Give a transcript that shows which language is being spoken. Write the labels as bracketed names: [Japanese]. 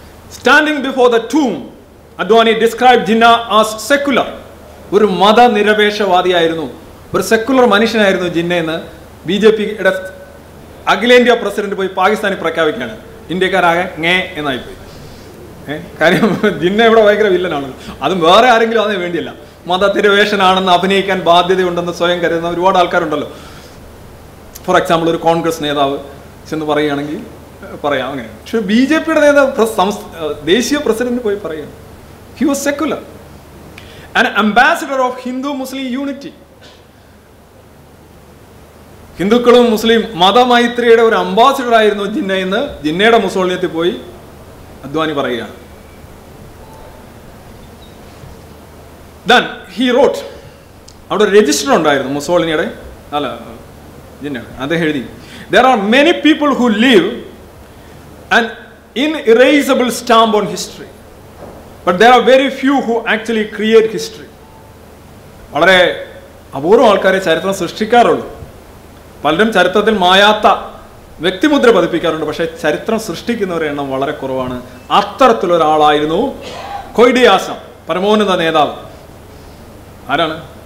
[English] Standing before the tomb, Adwani described Jinnah as secular. [Malayalam] ഒരു മത നിരപേക്ഷവാദിയായിരുന്നു, ഒരു സെക്കുലർ മനുഷ്യനായിരുന്നു ജിന്നയെന്ന് ബി ജെ പി യുടെ അഖിലേന്ത്യാ പ്രസിഡന്റ് പോയി പാകിസ്ഥാനിൽ പ്രഖ്യാപിക്കുകയാണ്. ഇന്ത്യക്കാരാകെ ങേ എന്നായിപ്പോയി. കാര്യം ജിന്ന ഇവിടെ ഭയങ്കര വില്ലനാണെന്ന്, അതും വേറെ ആരെങ്കിലും അതിന് വേണ്ടിയല്ല, മത നിരപേക്ഷനാണെന്ന് അഭിനയിക്കാൻ ബാധ്യതയുണ്ടെന്ന് സ്വയം കരുതുന്ന ഒരുപാട് ആൾക്കാരുണ്ടല്ലോ. ഫോർ എക്സാമ്പിൾ ഒരു കോൺഗ്രസ് നേതാവ് ചെന്ന് പറയുകയാണെങ്കിൽ പറയാം അങ്ങനെ. പക്ഷേ ബി ജെ പിയുടെ നേതാവ് ദേശീയ പ്രസിഡന്റ് പോയി പറയുകയാണ് [English] He was secular. An ambassador of Hindu Muslim unity. [Malayalam] ഹിന്ദുക്കളും മുസ്ലിം മതമൈത്രിയുടെ ഒരു അംബാസിഡർ ആയിരുന്നു ജിന്ന എന്ന് ജിന്നയുടെ മുസോളിനിയത്തിൽ പോയി അദ്വാനി പറയുകയാണ്. [English] Then he wrote, [Malayalam] അവിടെ ഒരു രജിസ്റ്റർ ഉണ്ടായിരുന്നു മുസോളിനിയുടെ, അല്ല ജിന്ന, അദ്ദേഹം എഴുതി, [English] There are many people who live an inerasable stamp on history. But there are very few who actually create history. [Malayalam] വളരെ അപൂർവം ആൾക്കാരെ ചരിത്രം സൃഷ്ടിക്കാറുള്ളൂ. പലരും ചരിത്രത്തിൽ മായാത്ത വ്യക്തിമുദ്ര പതിപ്പിക്കാറുണ്ട്, പക്ഷേ ചരിത്രം സൃഷ്ടിക്കുന്നവരുടെ എണ്ണം വളരെ കുറവാണ്. അത്തരത്തിലൊരാളായിരുന്നു കൊയ്ഡിയാസം, പരമോന്നത നേതാവ്. ആരാണ്?